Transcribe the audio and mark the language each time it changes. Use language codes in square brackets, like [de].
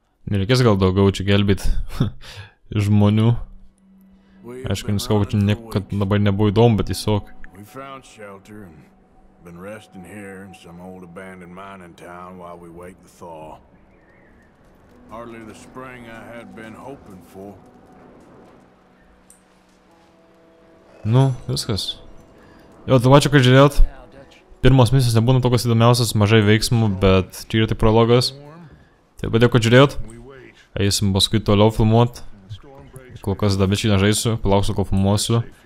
[lt] Nereikės gal daugiau čia gelbėti žmonių. Aišku, nesakau, kad čia dabar nebuvo įdomu, bet tiesiog. [en] We found shelter and been resting here in some old abandoned mining town while we wait the thaw. Hardly the spring I had been hoping for. [lt] Nu, viskas. Jo, tai vačiu, kad žiūrėjot. Pirmos misijos nebūna tokios įdomiausios, mažai veiksmų, bet čia yra tik prologas. Taip pat dėkui, kad žiūrėjot. Eisim paskui toliau filmuot. Kol kas dabičiai nežaisiu, palauksiu, kol filmuosiu.